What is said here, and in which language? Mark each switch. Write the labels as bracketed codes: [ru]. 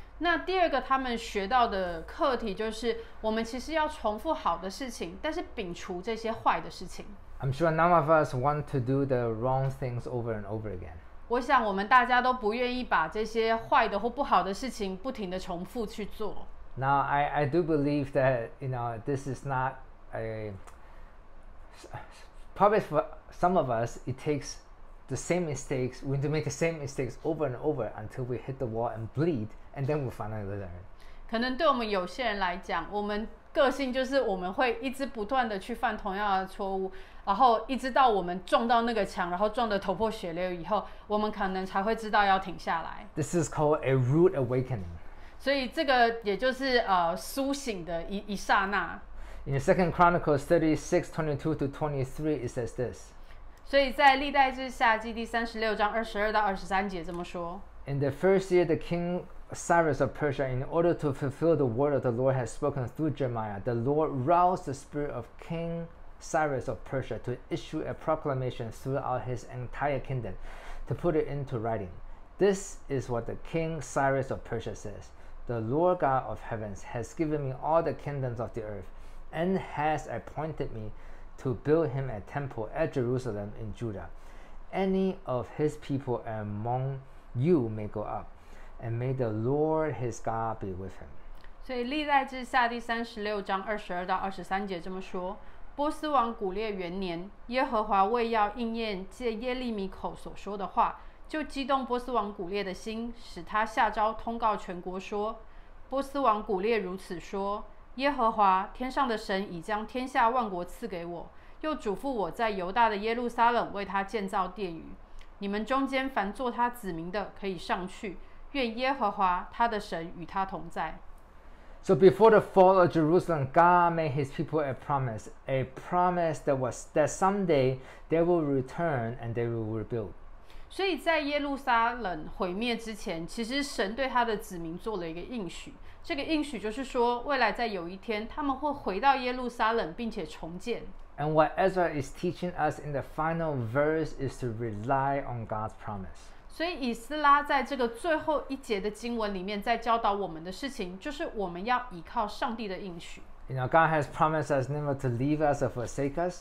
[zh] 那第二个他们学到的课题就是我们其实要重复好的事情，但是摒除这些坏的事情。 [en] I'm sure none of us want to do the wrong things over and over again. [zh] 我想我们大家都不愿意把这些坏的或不好的事情不停的重复去做。 [en] Now, I do believe that, you know, this is not a... Probably for some of us, it takes the same mistakes, we need to make the same mistakes over and over until we hit the wall and bleed, and then we finally learn. [zh] 可能对我们有些人来讲，我们个性就是我们会一直不断的去犯同样的错误，然后一直到我们撞到那个墙，然后撞得头破血流以后，我们可能才会知道要停下来。 [en] This is called a rude awakening. [zh] 所以这个也就是苏醒的一刹那。 [en] In 2 Chronicles 36, 22-23 it says this. [zh] 所以在历代志下记第36章22-23节这么说。 [en] In the first year the kingCyrus of Persia, in order to fulfill the word of the Lord has spoken through Jeremiah, the Lord roused the spirit of King Cyrus of Persia to issue a proclamation throughout his entire kingdom, to put it into writing. This is what the King Cyrus of Persia says. The Lord God of heavens has given me all the kingdoms of the earth and has appointed me to build him a temple at Jerusalem in Judah. Any of his people among you may go up. And may the Lord his God be with him. [zh] 所以历代志下第36章22-23节这么说，波斯王古列元年，耶和华为要应验借耶利米口所说的话，就激动波斯王古列的心，使他下诏通告全国说，波斯王古列如此说，耶和华天上的神已将天下万国赐给我，又嘱咐我在犹大的耶路撒冷为他建造殿宇，你们中间凡做他子民的可以上去，愿耶和华他的神与他同在。 [en] So before the fall of Jerusalem, God made his people a promise that someday they will return and they will rebuild. [zh] 所以在耶路撒冷毁灭之前，其实神对他的子民做了一个应许，这个应许就是说未来在有一天他们会回到耶路撒冷并且重建。 [en] And what Ezra is teaching us in the final verse is to rely on God's promise. [zh] 所以以斯拉在这个最后一节的经文里面在教导我们的事情，就是我们要依靠上帝的应许。 [en] You know, God has promised us never to leave us or forsake us.